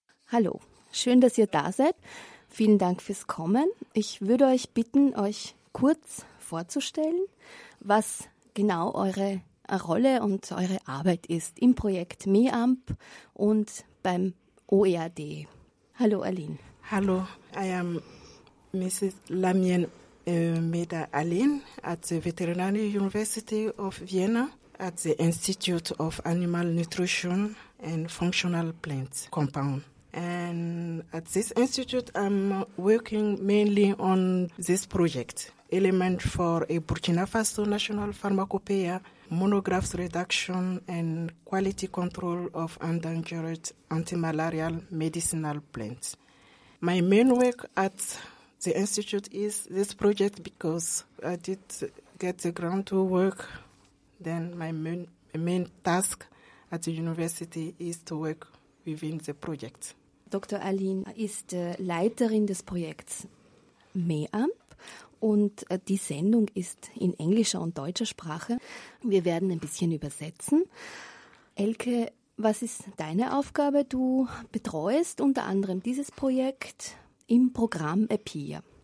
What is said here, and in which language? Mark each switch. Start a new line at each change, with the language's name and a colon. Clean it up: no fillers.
German: Hallo, schön, dass ihr da seid. Vielen Dank fürs Kommen. Ich würde euch bitten, euch kurz vorzustellen, was genau eure Rolle und eure Arbeit ist im Projekt MEAMP und beim OERD. Hallo, Aline.
English: Hallo, I am Mrs. Lamien Meda Aline at the Veterinary University of Vienna at the Institute of Animal Nutrition and Functional Plant Compound. And at this institute, I'm working mainly on this project, Element for a Burkina Faso National Pharmacopoeia, Monographs Reduction and Quality Control of Endangered Antimalarial Medicinal Plants. My main work at the institute is this project because I did get the grant to work. Then my main task at the university is to work within the project.
German: Dr. Aline ist Leiterin des Projekts MEAMP und die Sendung ist in englischer und deutscher Sprache. Wir werden ein bisschen übersetzen. Elke, was ist deine Aufgabe? Du betreust unter anderem dieses Projekt im Programm APEAR.